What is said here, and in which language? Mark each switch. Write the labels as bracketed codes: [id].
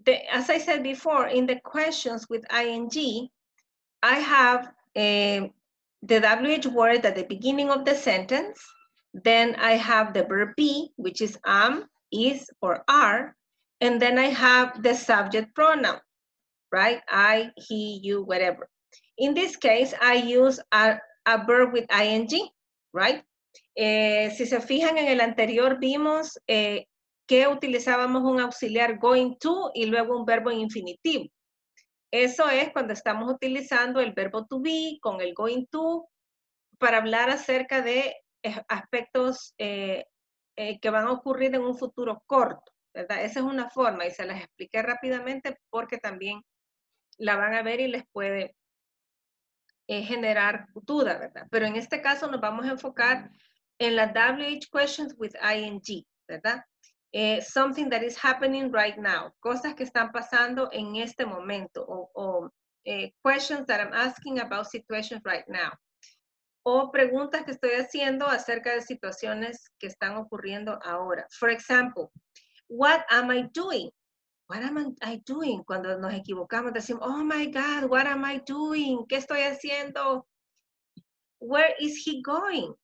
[en] As I said before, in the questions with ING, I have the WH word at the beginning of the sentence. Then I have the verb be, which is am, is, or are. And then I have the subject pronoun, right? I, he, you, whatever. In this case, I use a verb with ING, right? [es] Si se fijan en el anterior, vimos que utilizábamos un auxiliar going to y luego un verbo en infinitivo. Eso es cuando estamos utilizando el verbo to be con el going to para hablar acerca de aspectos que van a ocurrir en un futuro corto, ¿verdad? Esa es una forma y se las expliqué rápidamente porque también la van a ver y les puede generar duda, ¿verdad? Pero en este caso nos vamos a enfocar en la WH questions with ING, ¿verdad? [en] Something that is happening right now. [es] Cosas que están pasando en este momento. [en] Questions that I'm asking about situations right now. [es] O preguntas que estoy haciendo acerca de situaciones que están ocurriendo ahora. [en] For example, what am I doing? What am I doing? [es] Cuando nos equivocamos decimos, [en] oh my God, what am I doing? [es] ¿Qué estoy haciendo? [en] Where is he going?